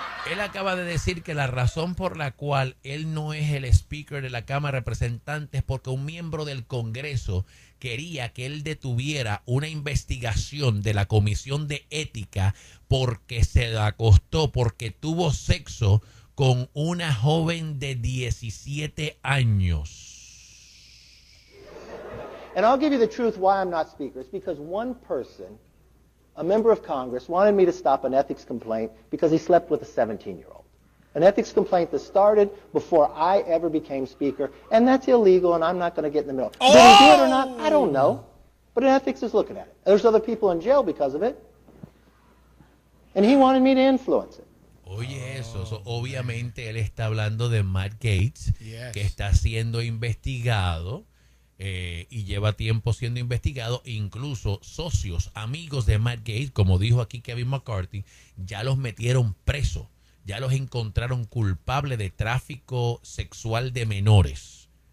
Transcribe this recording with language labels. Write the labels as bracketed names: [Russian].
[Spanish] Él acaba de decir que la razón por la cual él no es el speaker de la Cámara de Representantes es porque un miembro del Congreso quería que él detuviera una investigación de la Comisión de Ética porque se la acostó, porque tuvo sexo con una joven de 17 años. [English] And I'll give you the truth why I'm not speaker. It's because one person, a member of Congress, wanted me to stop an ethics complaint because he slept with a 17-year-old. An ethics complaint that started before I ever became speaker, and that's illegal, and I'm not going to get in the middle. Oh! Did he do it or not? I don't know. But an ethics is looking at it. There's other people in jail because of it. And he wanted me to influence it. [Spanish] Oye, eso obviamente él está hablando de Matt Gaetz, [English] yes, [Spanish] que está siendo investigado y lleva tiempo siendo investigado. Incluso socios, amigos de Matt Gaetz, como dijo aquí Kevin McCarthy, ya los metieron preso, ya los encontraron culpables de tráfico sexual de menores.